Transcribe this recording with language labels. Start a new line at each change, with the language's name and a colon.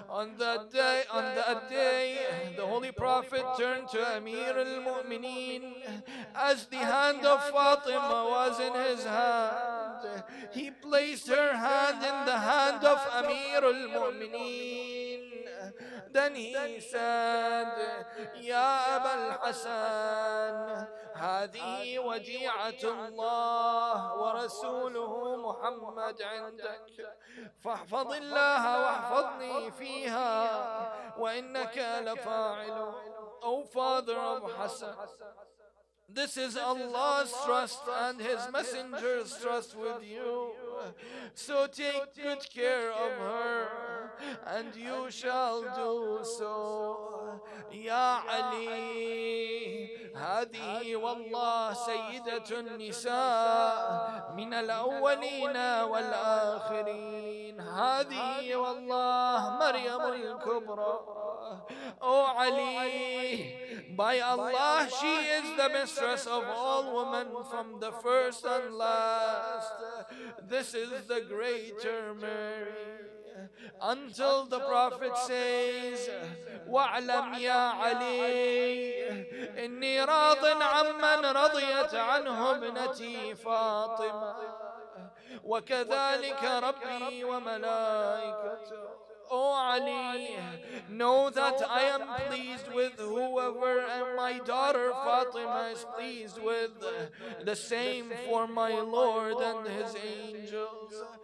English: On that day, the Holy Prophet turned to Amir al-Mu'mineen. As the hand of Fatima was in his hand, he placed her hand in the hand of Amir al-Mu'mineen. Then he said,
Arabic: Ya Aba al-Hasan, هذه وديعة الله ورسوله محمد عندك فاحفظ الله واحفظني فيها وإنك لفاعل.
English: O Father of Hassan, this is Allah's trust and His Messenger's trust with you. So take good care of her, and you shall do so.
Arabic: يا علي هذه والله سيدة النساء من الأولين والآخرين هذه والله مريم الكبرى.
English: O Ali, by Allah, she is the mistress of all women from the first and last. This is the greater Mary. Until the Prophet says,
Arabic: وَعْلَمْ يَا عَلِيِّ إِنِّي رَاضٍ عَمَّنْ رَضِيَتْ عَنْهُ ابْنَتِي فَاطِمَةً وَكَذَلِكَ رَبِّي وَمَلَائِكَتُهُ.
English: O Ali, know that I am pleased with whoever, and my daughter Fatima is pleased with the same for my Lord and his angels.